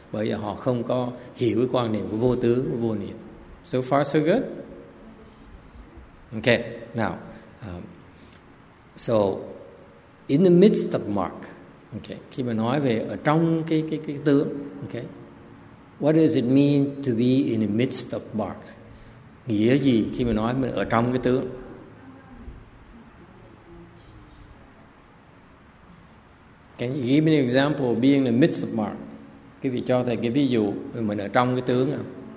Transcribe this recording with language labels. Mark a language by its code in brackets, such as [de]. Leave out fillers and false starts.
[vi] Bởi vì họ không có hiểu cái quan niệm của vô tướng, vô niệm. [en] So far so good. Okay. Now, so in the midst of mark. Okay. [vi] Khi mà nói về ở trong cái tướng. [en] Okay. What does it mean to be in the midst of mark? [vi] Nghĩa gì khi mà nói mình ở trong cái tướng? [en] Can you give me an example of being in the midst of mark? [vi] Quý vị cho thầy cái ví dụ mình ở trong cái tướng không?